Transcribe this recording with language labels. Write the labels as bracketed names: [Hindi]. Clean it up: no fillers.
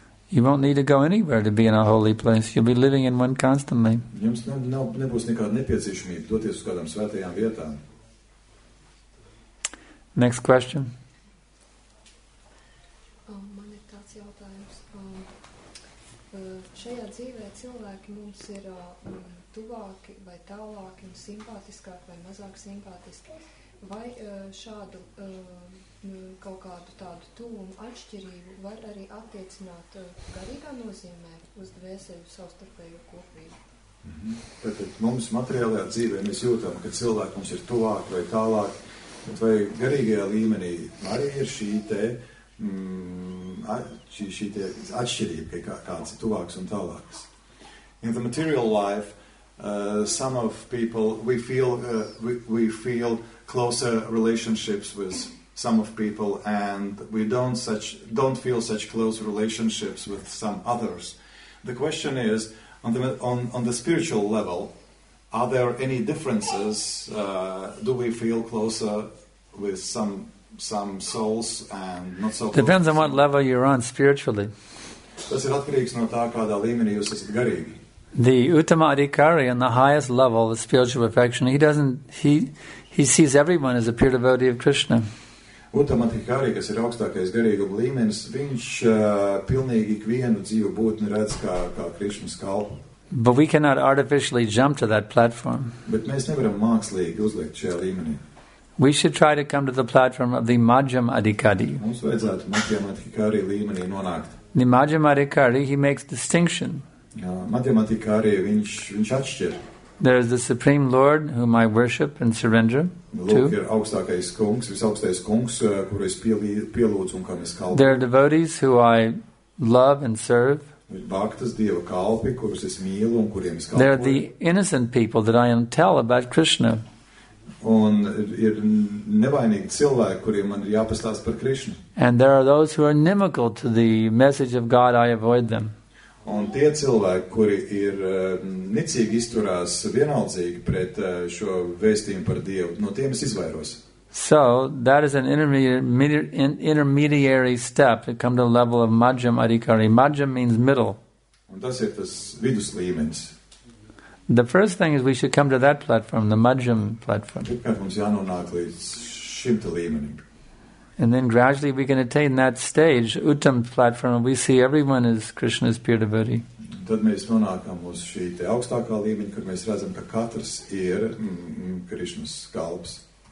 [English] You won't need to go anywhere to be in a holy place. You'll be living in one constantly. [Latvian] Jums nebūs nekāda nepieciešamība doties uz kādām svētajām vietām. [English] Next question. [Latvian] Man ir tāds jautājums. Šajā dzīvē cilvēki mums ir tuvāki vai tālāki un simpātiskāki vai mazāk simpātiski. Vai šādu kaut kādu tādu tūmu atšķirību var arī attiecināt garīgā nozīmē uz dvēseļu savstarpējo kopību? Tātad mums materiālajā dzīvē mēs jūtam, ka cilvēki mums ir tuvāk vai tālāk, bet vai garīgajā līmenī arī ir šī te atšķirība, ka kāds ir tuvāks un tālāks? [English] In the material life, some of people, we feel closer relationships with some of people, and we don't feel such close relationships with some others. The question is, on the spiritual level, are there any differences? Do we feel closer with some souls and not so close? Depends on what level you're on spiritually. [Latvian] Tas ir atkarīgs no tā, kādā līmenī jūs esat garīgi. [English] The Uttama Adhikari, on the highest level of spiritual perfection, he sees everyone as a pure devotee of Krishna. [Latvian] Uttama Adhikari, kas ir augstākais garīguma līmenis, viņš pilnīgi ikvienu dzīvu būtni redz kā Krishna kalpu. [English] But we cannot artificially jump to that platform. [Latvian] Bet mēs nevaram mākslīgi uzlikt šajā līmenī. [English] We should try to come to the platform of the Majjam Adhikari. [Latvian] Mums vajadzētu Majjam Adhikari līmenī nonākt. [English] The Majjam Adhikari, he makes distinction. [Latvian] Matematikārī, viņš atšķir. [English] There is the Supreme Lord, whom I worship and surrender to. [Latvian] Lūk, ir augstākais kungs, visaugstākais kungs, kuru es pielūdzu un kam es kalpu. [English] There are devotees who I love and serve. [Latvian] Bhaktas, Dieva kalpi, kurus es mīlu un kuriem es kalpu. [English] There are the innocent people that I tell about Krishna. [Latvian] Un ir nevainīgi cilvēki, kuriem man ir jāpastāst par Krishna. [English] And there are those who are inimical to the message of God, I avoid them. [Latvian] Un tie cilvēki, kuri ir nicīgi izturās vienaldzīgi pret šo vēstījumu par Dievu, no tiem es izvairos. [English] So, that is an intermediary step to come to the level of Majjam Adhikari. Majjam means middle. [Latvian] Un tas ir tas viduslīmenis. [English] The first thing is we should come to that platform, the Majjam platform. [Latvian] Pirmkārt mums jānonāk līdz šim te līmenim. [English] And then gradually we can attain that stage, Uttam platform, and we see everyone as Krishna's pure devotee. [Latvian] Tad mēs nonākam uz šī te augstākā līmeņa, kur mēs redzam, ka katrs ir Krishna's kalps.